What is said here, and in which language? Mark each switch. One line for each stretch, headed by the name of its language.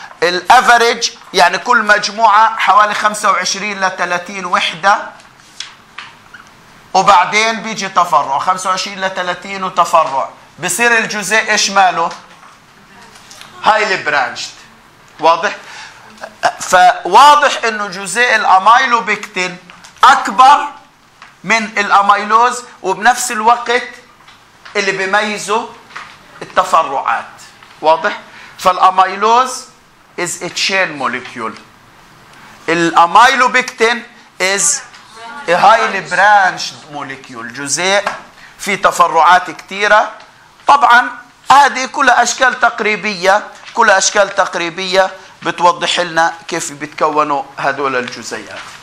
Arabic: الافريج يعني كل مجموعه حوالي 25 ل 30 وحده وبعدين بيجي تفرع 25 ل 30 وتفرع بصير الجزء ايش ماله؟ هايلي برانشد. واضح؟ فواضح انه جزء الاميلوبكتين اكبر من الاميلوز وبنفس الوقت اللي بيميزه التفرعات. واضح؟ فالاميلوز
English: is a chain molecule. الاميلوبكتين is a highly branched molecule.
Arabic: جزء في تفرعات كثيرة. طبعا هذه كلها أشكال تقريبية. كلها أشكال تقريبية بتوضح لنا كيف بيتكونوا هذول الجزيئات.